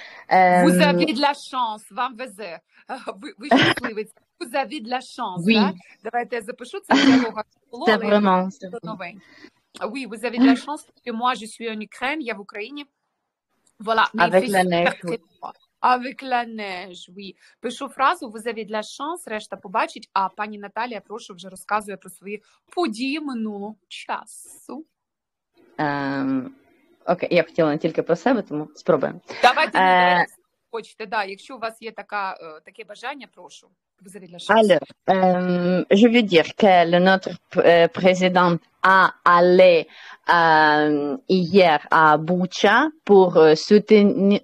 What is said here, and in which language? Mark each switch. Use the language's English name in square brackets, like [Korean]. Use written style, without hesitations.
[French] Vous avez de la chance, [Ukrainian] vam везе. Ви щасливець. [French] Vous avez de la chance, oui. [Ukrainian] Да? Давайте я запишу це диалога. [French] C'est vraiment. Oui, vous avez de la chance parce que moi je suis en Ukraine, [Ukrainian] я в Україні. [French] Voilà, avec la neige. Avec la neige, oui. [Ukrainian] Пишу фразу, [French] vous avez de la chance, [Ukrainian] решта побачить, а пані Наталія, прошу, вже розказує про свої події минулого часу. Окей, я хотіла не тільки про себе, тому спробуємо. Давайте, хочете, да, якщо у вас є таке бажання, прошу. [French] Vous avez de la chance. Alors, je veux dire que le notre président a allé hier à Bucha pour soutenir